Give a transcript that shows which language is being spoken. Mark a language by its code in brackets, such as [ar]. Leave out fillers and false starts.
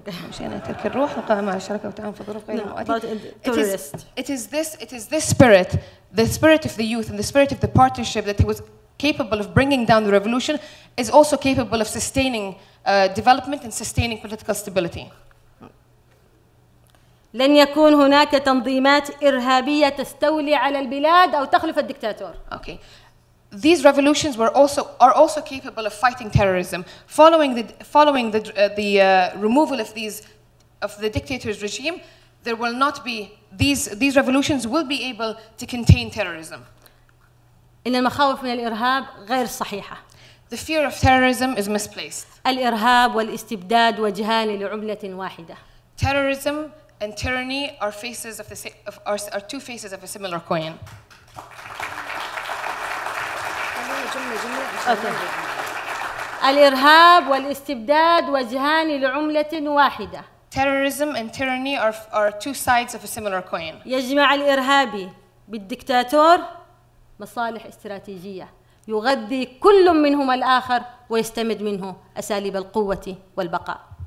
[ar] مشينا ترك الروح وقائمة على الشركة وتعاون في ظروف غير مؤدية. [en] It is this spirit, the spirit of the youth and the spirit of the partnership that he was capable of bringing down the revolution is also capable of sustaining development and sustaining political stability. [ar] لن يكون هناك تنظيمات إرهابية تستولي على البلاد أو تخلف الدكتاتور. [en] Okay. These revolutions are also capable of fighting terrorism. Following the removal of the dictator's regime, there will not be these revolutions will be able to contain terrorism. [ar] إن المخاوف من الإرهاب غير صحيحة. [en] The fear of terrorism is misplaced. [ar] الإرهاب والاستبداد وجهان لعملة واحدة. [en] Terrorism and tyranny are faces of the are two faces of a similar coin. Okay. [ar] الإرهاب والاستبداد وجهان لعملة واحدة. [en] Terrorism and tyranny are two sides of a similar coin. [ar] يجمع الإرهابي بالدكتاتور مصالح استراتيجية. يغذي كل منهما الآخر ويستمد منه أساليب القوة والبقاء.